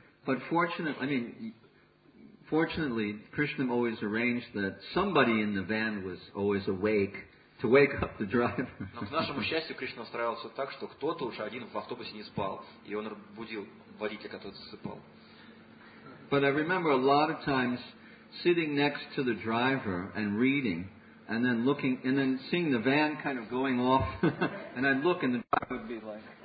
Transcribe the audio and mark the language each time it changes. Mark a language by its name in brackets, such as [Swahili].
[English] But fortunately, Krishna always arranged that somebody in the van was always awake to wake up the driver. [Russian] Но к нашему счастью, Кришна устраивал все так, что кто-то уж один в автобусе не спал, и он будил водителя, который засыпал. [English] But I remember a lot of times sitting next to the driver and reading and then looking and then seeing the van kind of going off and I'd look and the driver would be like